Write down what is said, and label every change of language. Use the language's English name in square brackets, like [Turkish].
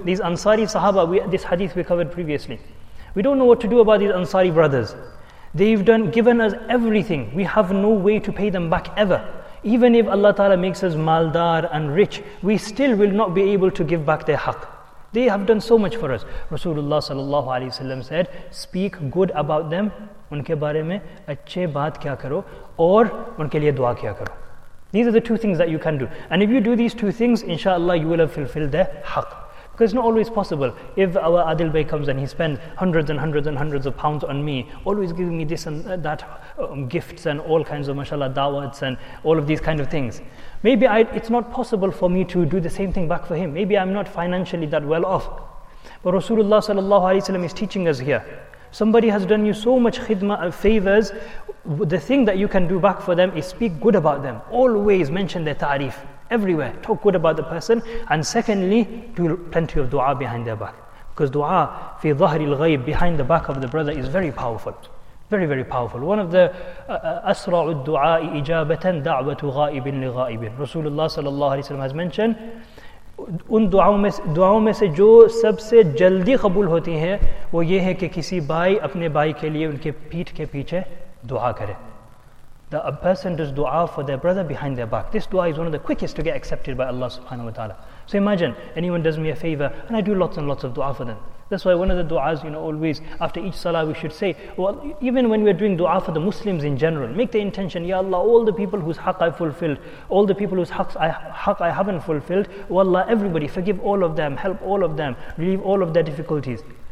[English] These Ansari Sahaba, this hadith we covered previously. We don't know what to do about these Ansari brothers. They've given us everything. We have no way to pay them back ever. Even if Allah Ta'ala makes us maldar and rich, we still will not be able to give back their haqq. They have done so much for us." Rasulullah sallallahu alaihi wasallam said, "Speak good about them. [Urdu] ان کے بارے میں اچھے بات کیا کرو اور ان کے لیے دعا کیا کرو." [English] These are the two things that you can do. And if you do these two things, inshallah, you will have fulfilled their haqq. Because it's not always possible. If our Adil Bey comes and he spends hundreds and hundreds and hundreds of pounds on me, always giving me this and that, gifts and all kinds of mashallah dawats and all of these kind of things, maybe it's not possible for me to do the same thing back for him. Maybe I'm not financially that well off. But Rasulullah sallallahu alaihi wasallam is teaching us here. Somebody has done you so much khidmah and favors. The thing that you can do back for them is speak good about them. Always mention their ta'rif everywhere. Talk good about the person. And secondly, do plenty of dua behind their back. Because [Arabic] dua fi dhahri al-ghayb, [English] behind the back of the brother, is very powerful. Very, very powerful. One of the [Arabic] asra'u dua ijabatan da'watu ghaibin li ghaibin. [Urdu] Rasulullah sallallahu alayhi wa sallam [English] has mentioned, [Urdu] ان دعاؤں میں سے جو سب سے جلدی قبول ہوتی ہیں وہ یہ ہے کہ کسی بھائی اپنے بھائی کے لیے ان کے پیٹ کے پیچھے دعا کرے. [English] The person does dua for their brother behind their back. This dua is one of the quickest to get accepted by Allah subhanahu wa ta'ala. So imagine, anyone does me a favor and I do lots and lots of dua for them. That's why one of the duas, you know, always after each salah we should say, well, even when we're doing dua for the Muslims in general, make the intention, "Ya Allah, all the people whose haqq I fulfilled, all the people whose haqq I haven't fulfilled, oh Allah, everybody, forgive all of them, help all of them, relieve all of their difficulties."